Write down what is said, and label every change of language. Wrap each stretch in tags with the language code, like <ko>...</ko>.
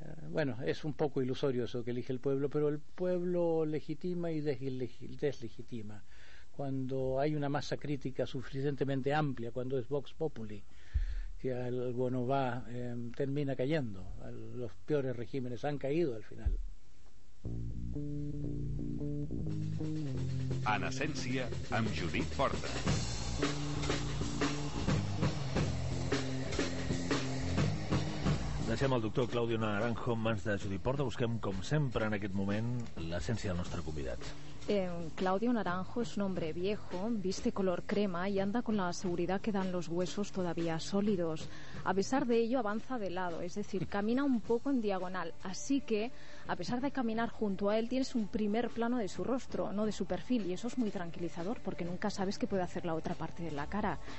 <es>Bueno, es un poco ilusorio eso que elige el pueblo, pero el pueblo legitima y deslegitima. Cuando hay una masa crítica suficientemente amplia, cuando es Vox Populi, que algo no va, termina cayendo. Los peores regímenes han caído al final.</es> <ca>En essència, amb Judit Porta. Deixem el doctor Claudio Naranjo en mans de Judit Porta. Busquem, com sempre, en aquest moment, l'essència del nostre convidat.</ca> <es>Claudio Naranjo es un hombre viejo, viste color crema y anda con la seguridad que dan los huesos todavía sólidos. A pesar de ello, avanza de lado, es decir, camina un poco en diagonal. Así que, a pesar de caminar junto a él, tienes un primer plano de su rostro, no de su perfil. Y eso es muy tranquilizador, porque nunca sabes qué puede hacer la otra parte de la cara.</es>